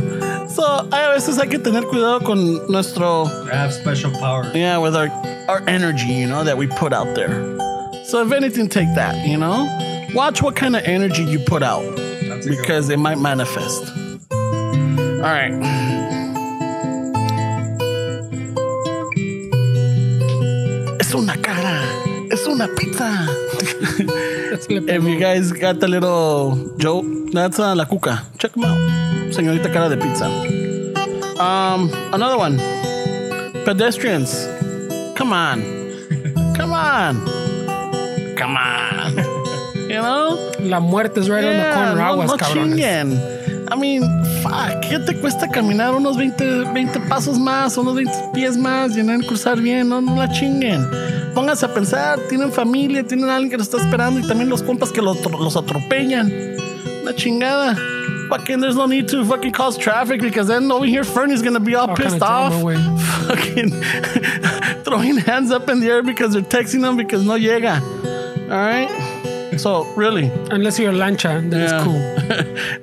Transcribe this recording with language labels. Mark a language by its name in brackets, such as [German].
[Spanish] So, a veces hay que tener cuidado con nuestro... [English] I have special power. Yeah, with our energy, you know, that we put out there. So, if anything, take that, you know? Watch what kind of energy you put out. Because it might manifest. All right. [Spanish] Es una cara. Es una pizza. [English] If you guys got the little joke, that's [Spanish] la cuca. [English] Check them out. [Spanish] Señorita cara de pizza. [English] Another one. Pedestrians. Come on. Come on. Come on. You know? [Spanish] La muerte es [English] right on the corner. [Spanish] No, aguas, no cabrones. [English] Chinguen. I mean, fuck. [Spanish] ¿Qué te cuesta caminar unos 20 pasos más, unos 20 pies más, y no cruzar bien? No, no la chinguen. Pónganse a pensar, tienen familia, tienen alguien que los está esperando y también los compas que los atropellan. Una chingada. [English] Fucking, there's no need to fucking cause traffic because then over here Fernie's gonna be all pissed off. Fucking throwing hands up in the air because they're texting them because [Spanish] no llega. [English] All right? So, really. Unless you're a lancha, then yeah. It's cool.